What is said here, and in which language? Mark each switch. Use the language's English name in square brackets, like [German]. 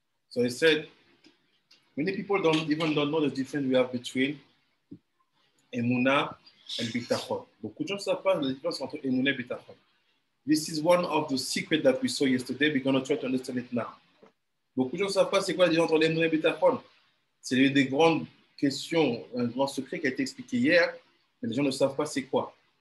[English] So I said, many people don't know the difference we have between Emuna and Bitachon. [French] Beaucoup de gens ne savent pas la différence entre Emuna et Bitachon. [English] This is one of the secrets that we saw yesterday. We're going to try to understand it now. [French] Beaucoup de gens ne savent pas c'est quoi la différence entre Emuna et Bitachon. C'est l'une des grandes questions, un grand secret qui a été expliqué hier, mais les gens ne savent pas c'est quoi.